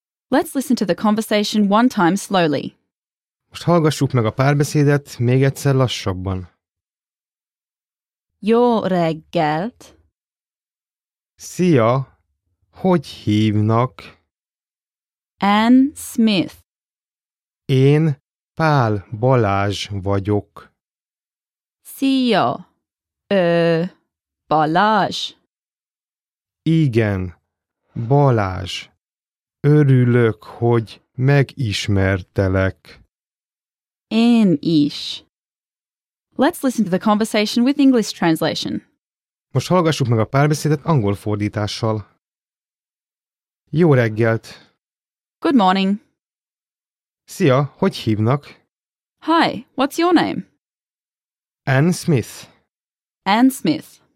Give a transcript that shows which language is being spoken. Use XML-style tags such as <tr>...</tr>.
<en>Let's listen to the conversation one time slowly.</en> <hu>Most hallgassuk meg a párbeszédet még egyszer lassabban. Jó reggelt! Szia! Hogy hívnak? Anne Smith. Én Pál Balázs vagyok. Szia! Balázs. Igen, Balázs. Örülök, hogy megismertelek. Én is.</hu> <en>Let's listen to the conversation with English translation.</en> <hu>Most hallgassuk meg a párbeszédet angol fordítással. Jó reggelt!</hu> <en>Good morning.</en> <hu>Szia, hogy hívnak?</hu> <en>Hi, what's your name? Anne Smith. Anne Smith.</en>